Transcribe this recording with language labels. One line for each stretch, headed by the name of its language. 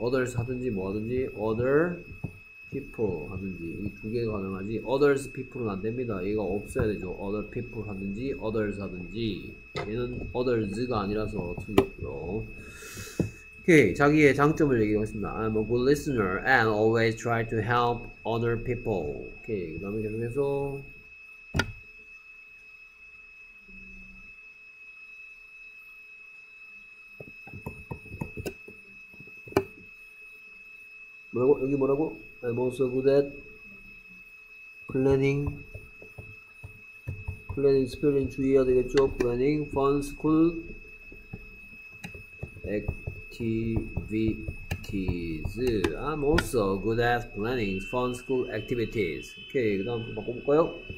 Korean: others 하든지 뭐 하든지 other people 하든지 이두 개가 가능하지. others people은 안 됩니다. 얘가 없어야 되죠. other people 하든지 others 하든지 얘는 others가 아니라서 틀렸고요. 오케이, 자기의 장점을 얘기하겠습니다.
English: I'm a good listener and always try to help other people.
Korean: 오케이, 그다음에 계속해서 뭐라고? 여기 뭐라고?
English: I'm also good at planning, spelling
Korean: 주의해야 되겠죠?
English: Planning, fun, school, activities. I'm also good at planning, fun, school, activities.
Korean: 오케이, 그다음 바꿔볼까요?